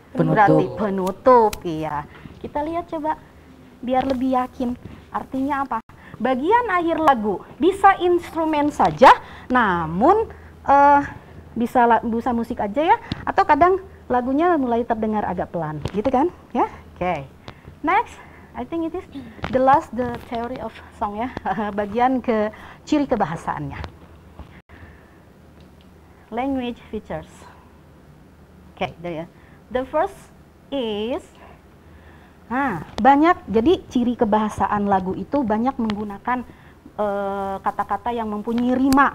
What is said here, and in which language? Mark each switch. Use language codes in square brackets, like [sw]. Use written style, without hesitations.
[id] Penutup. Berarti penutup, iya. Kita lihat coba. Biar lebih yakin. Artinya apa? Bagian akhir lagu. Bisa instrumen saja, namun bisa musik aja ya. Atau kadang lagunya mulai terdengar agak pelan, gitu kan? Ya, yeah? Oke. Okay. [en] Next, I think it is the last the theory of song ya. [id] Bagian ke ciri kebahasaannya. [en] Language features. Oke, okay, ya. The first is, banyak. [id] Jadi ciri kebahasaan lagu itu banyak menggunakan kata-kata yang mempunyai rima.